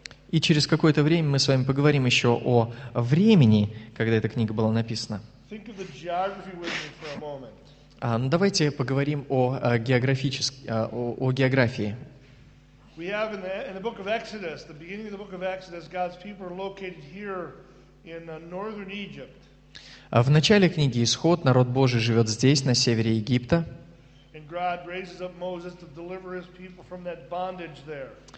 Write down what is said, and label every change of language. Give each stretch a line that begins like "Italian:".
Russian: И через какое-то время мы с вами поговорим еще о времени, когда эта книга была написана.
English: Think of the geography with me for a moment.
Russian: Давайте поговорим о географии.
English: We have in the book of Exodus, the beginning of the book of Exodus, God's people are located here in northern Egypt.
Russian: В начале книги Исход народ Божий живет здесь, на севере Египта.
English: And God raises up Moses to deliver his people from that bondage there.